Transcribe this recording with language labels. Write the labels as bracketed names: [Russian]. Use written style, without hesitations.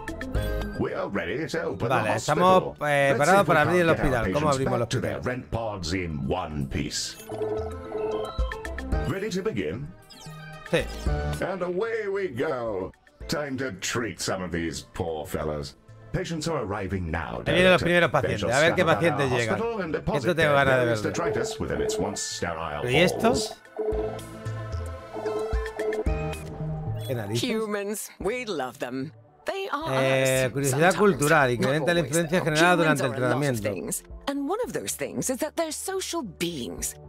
[Spanish] Vale, estamos preparados para abrir el hospital. ¿Cómo abrimos el hospital? [English] Rent pods in one piece. Ready to begin? [Spanish] Sí. [English] And away we go. Time to treat some of these poor fellows. Patients are arriving now. [Spanish] Vienen los primeros pacientes. A ver qué pacientes llegan. Esto tengo ganas de ver. ¿Y estos? ¿Qué narices? [English] Humans, we love them. [Spanish] Curiosidad cultural y creente a la influencia generada durante el tratamiento. [English] And one of those things is that they're social beings.